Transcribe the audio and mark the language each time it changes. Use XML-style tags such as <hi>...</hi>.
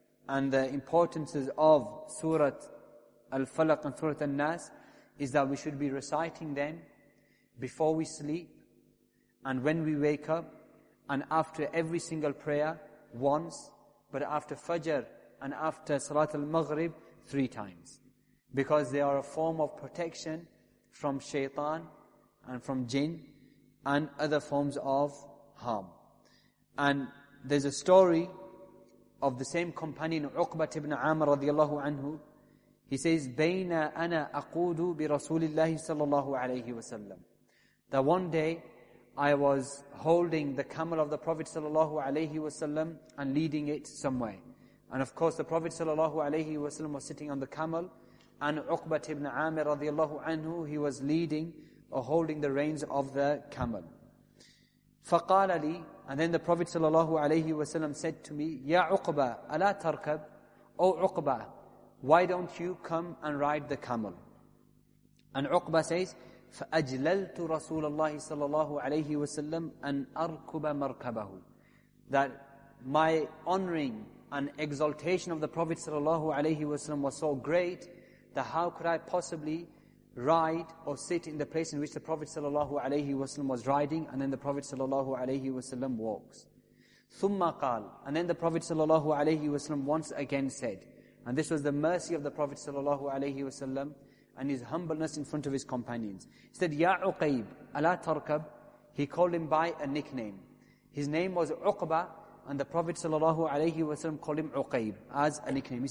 <en>and the importances of Surah Al-Falaq and Surah An-Nas is that we should be reciting them before we sleep and when we wake up and after every single prayer once, but after Fajr and after Salat Al-Maghrib three times. Because they are a form of protection from shaitan and from jinn and other forms of harm. And there's a story of the same companion, Uqbat ibn Amr radiallahu anhu. He says,</en> <ar>بَيْنَا أَنَا أَقُودُ بِرَسُولِ اللَّهِ صَلَّى اللَّهُ عَلَيْهِ وَسَلَّمُ.</ar> <en>That one day, I was holding the camel of the Prophet sallallahu alayhi wasallam and leading it somewhere. And of course, the Prophet sallallahu alayhi wasallam was sitting on the camel, and Uqbat ibn Amir radiallahu anhu, he was leading or holding the reins of the camel.</en> <ar>فَقَالَ لِي.</ar> <en>And then the Prophet sallallahu alayhi wasallam said to me,</en> <ar>يَا عُقْبَى أَلَا تَرْكَبْ.</ar> <en>O Uqba, why don't you come and ride the camel? And Uqba says,</en> <ar>فَأَجْلَلْتُ رَسُولَ اللَّهِ صَلَى اللَّهُ عَلَيْهِ وَسَلَّمْ أَنْ أَرْكُبَ مَرْكَبَهُ.</ar> <en>That my honoring and exaltation of the Prophet sallallahu alayhi wasallam was so great that how could I possibly ride or sit in the place in which the Prophet sallallahu alayhi wasallam was riding, and then the Prophet sallallahu alayhi wasallam walks.</en> <ar>ثُمَّ قَالَ.</ar> <en>And then the Prophet sallallahu alayhi wasallam once again said, and this was the mercy of the Prophet sallallahu alayhi wasallam and his humbleness in front of his companions. He said,</en> <ar>يَا عُقَيْب أَلَا تَرْكَبْ.</ar> <en>He called him by a nickname. His name was Uqba, and the Prophet sallallahu alayhi wasallam called him Uqayb as a nickname.</en>